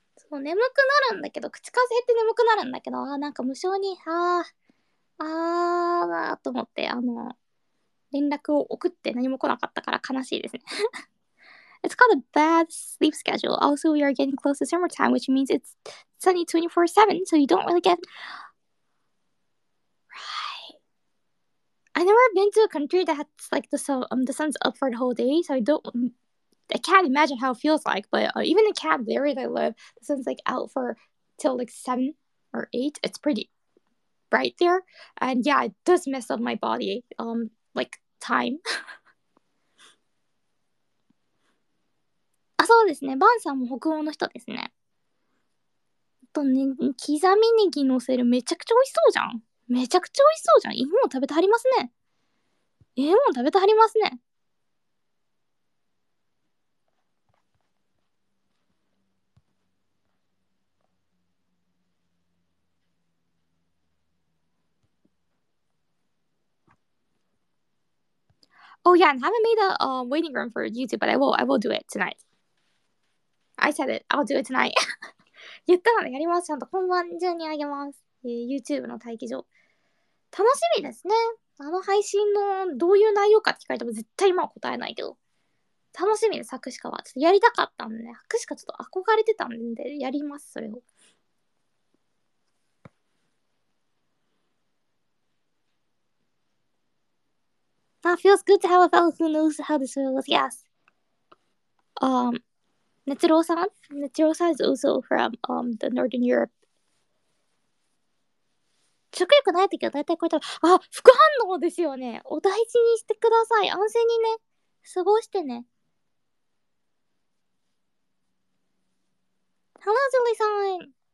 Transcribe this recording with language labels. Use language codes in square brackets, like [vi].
[ja] もう眠くなるんだけど、口数減って眠くなるんだけど、あなんか無性に、あーと思って、連絡を送って何も来なかったから悲しいですね。 [en] It's called a bad sleep schedule. Also, we are getting close to summertime, which means it's sunny 24-7, so you don't really get... Right. I've never been to a country that's like the sun's up for the whole day, so I don't... I can't imagine how it feels like, but even in Canada, where I live, the sun's like out for till like 7 or 8. It's pretty bright there. And yeah, it does mess up my body, like time. [ja] あ、そうですね。バンさんも北欧の人ですね。とね、刻みネギ乗せる。めちゃくちゃ美味しそうじゃん。めちゃくちゃ美味しそうじゃん。芋食べてはりますね。芋食べてはりますね。 [en] Oh yeah, and I haven't made a waiting room for YouTube, but I will do it tonight. I said it. I'll do it tonight. [ja] 言ったのでやります。ちゃんと今晩中にあげます。 YouTube の待機場。楽しみですね。あの配信のどういう内容かって聞かれても絶対今は答えないけど。楽しみです、白紙化は。ちょっとやりたかったんで、白紙化ちょっと憧れてたんで、やります、それを。 [en] That feels good to have a fellow who knows how the soil is. Yes. Netsuro-san? Netsuro-san is also from the Northern Europe. [ja] 食欲ないときは大体こういった。あ、副反応ですよね。お大事にしてください。安静にね。過ごしてね。 [en] Hello, Julie-san.